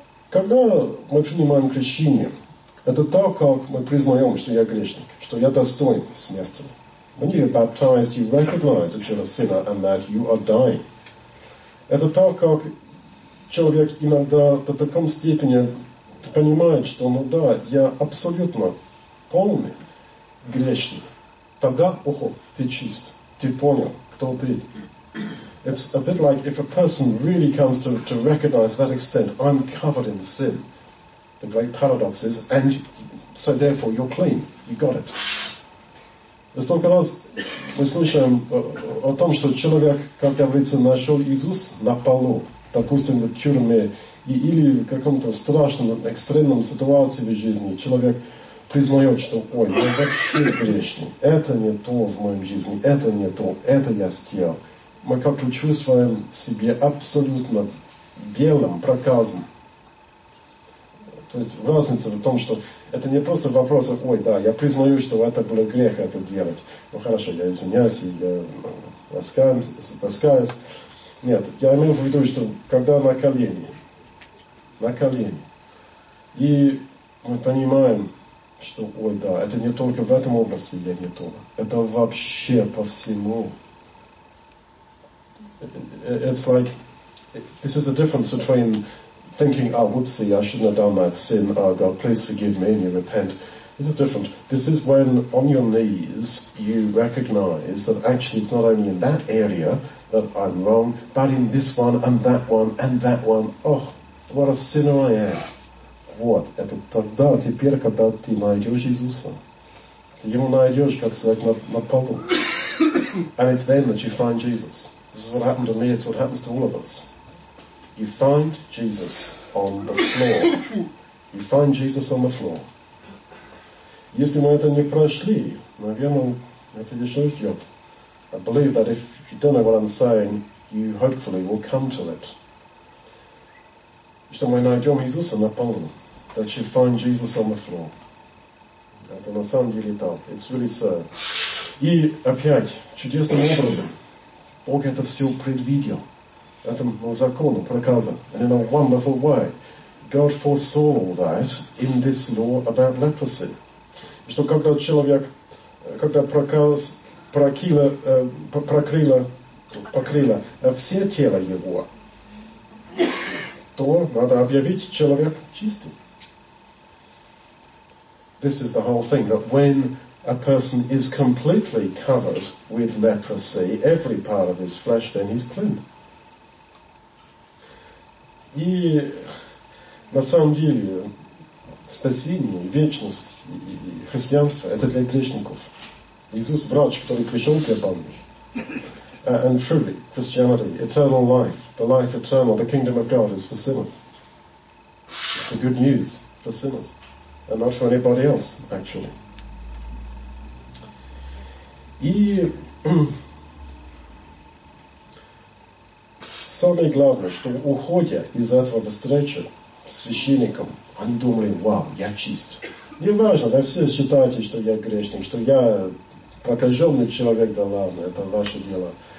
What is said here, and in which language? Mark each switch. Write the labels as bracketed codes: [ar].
[ru] Когда мы принимаем крещение, это то, как мы признаем, что я грешник, что я достоин смерти. [en] When you're baptized, you recognize that you're a sinner and that you are dying. [ru] Это то, как человек иногда до таком степени понимает, что, ну да, я абсолютно полный грешник. Тогда, ухо, ты чист, ты понял, кто ты. [en] It's a bit like if a person really comes to recognize that extent, I'm covered in sin. The great paradox is, and so therefore you're clean, you got it. [ru] И столько раз мы слышим о том, что человек, как говорится, нашел Иисус на полу, допустим, в тюрьме, или в каком-то страшном, экстремном ситуации в жизни, человек признает, что, ой, я вообще грешный, это не то в моем жизни, это не то, это я съел. Мы как-то чувствуем себя абсолютно белым проказом. То есть разница в том, что это не просто вопрос, ой, да, я признаю, что это было грех это делать. Ну хорошо, я извиняюсь, я раскаюсь. Нет, я имею в виду, что когда на колени, и мы понимаем, что, ой, да, это не только в этом образе я не то, это вообще по всему. [en] It's like, this is the difference between thinking, oh, whoopsie, I shouldn't have done that sin, oh God, please forgive me, and you repent. This is different. This is when, on your knees, you recognize that actually it's not only in that area that I'm wrong, but in this one, and that one, and that one. Oh, what a sinner I am. [ru] Вот, это тогда, теперь, когда ты найдешь Иисуса. Ты его найдешь, как сказать, на полу. [en] And it's then that you find Jesus. This is what happened to me, it's what happens to all of us. You find Jesus on the floor. You find Jesus on the floor. [ru] Если мы это не прошли, наверное, это еще ждет. [en] I believe that if you don't know what I'm saying, you hopefully will come to it. [ru] Что мы найдем Иисуса на полу. [en] That you find Jesus on the floor. [ru] Это на самом деле так. [en] It's really sad. [ru] И опять, чудесным образом, Бог это все предвидел. Это закон, проказа. [en] And in a wonderful way, God foresaw all that in this law about leprosy. [ru] Что когда человек, когда проказ покрыла все тело его, то надо объявить человек чистым. [en] This is the whole thing, that when a person is completely covered with leprosy, every part of his flesh, then he's clean. [ru] И на самом деле спасение, вечность и христианство – это для грешников. Jesus врач, который пришел к Богу. [en] And truly, Christianity, eternal life, the life eternal, the kingdom of God is for sinners. It's the good news for sinners, and not for anybody else, actually. [ru] И самое главное, что уходя из этого встречи с священником, они думали, вау, я чист. Не важно, да все считаете, что я грешник, что я прокаженный человек, да ладно, это ваше дело.